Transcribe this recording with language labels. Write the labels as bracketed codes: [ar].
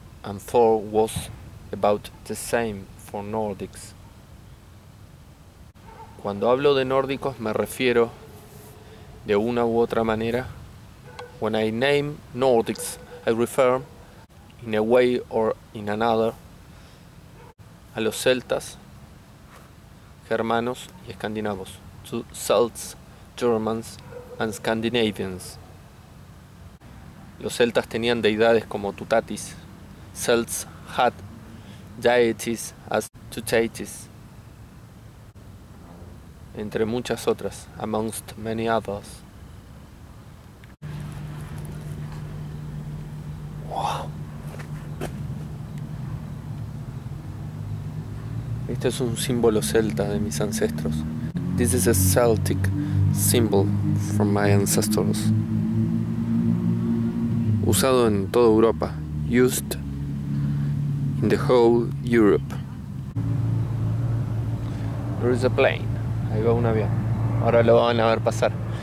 [en] And Thor was about the same for Nordics. [es] Cuando hablo de nórdicos me refiero de una u otra manera. [en] When I name Nordics, I refer in a way or in another [es] a los celtas, germanos y escandinavos. [en] To Celts, Germans and Scandinavians. [es] Los celtas tenían deidades como Tutatis. [en] Celts had deities as Tutatis. [es] Entre muchas otras, [en] amongst many others. [es] Este es un símbolo celta de mis ancestros. [en] This is a Celtic symbol from my ancestors. [es] Usado en toda Europa. [en] Used in the whole Europe. There is a plane. [es] Ahí va un avión. Ahora lo van a ver pasar.